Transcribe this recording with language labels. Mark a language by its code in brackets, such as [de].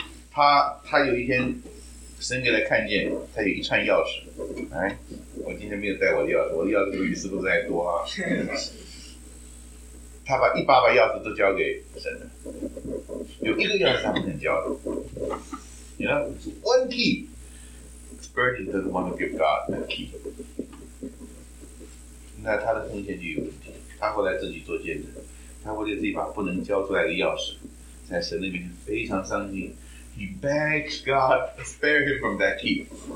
[zh] 他有一天神给他看见他有一串钥匙。哎，我今天没有带我的钥匙，我的钥匙比师傅还多啊。他把一把把钥匙都交给神了，有一个钥匙他不肯交的。 [en] You know, one key. Spurgeon doesn't want to give God that key. [zh] 那他的奉献就有问题。他后来自己做见证，他为了自己把不能交出来的钥匙，在神那边非常伤心。 [en] He begs God to spare him from that key.